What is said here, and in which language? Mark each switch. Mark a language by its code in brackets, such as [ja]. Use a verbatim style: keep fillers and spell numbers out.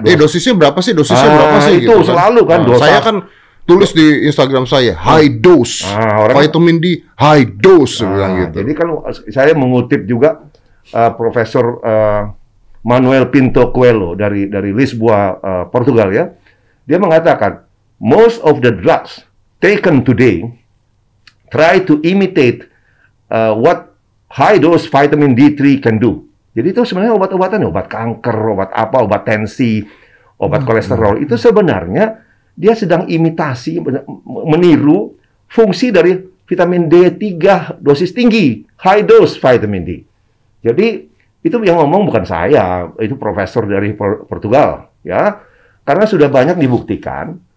[id] Dos- eh dosisnya berapa sih? Dosisnya ah, berapa sih? Itu gitu, selalu kan. Nah, dosa. Saya kan tulis di Instagram saya high dose, ah, orang, vitamin D high dose, ah, bilang gitu. Jadi kalau saya mengutip juga uh, Profesor Uh, Manuel Pinto Coelho dari dari Lisboa, uh, Portugal ya. Dia mengatakan, [en] most of the drugs taken today try to imitate uh, what high dose vitamin D three can do. [id] Jadi itu sebenarnya obat-obatan, obat kanker, obat apa, obat tensi, obat hmm. kolesterol. Itu sebenarnya dia sedang imitasi, meniru fungsi dari vitamin D tiga dosis tinggi, high dose vitamin D. Jadi itu yang ngomong bukan saya, itu profesor dari Portugal, ya. Karena sudah banyak dibuktikan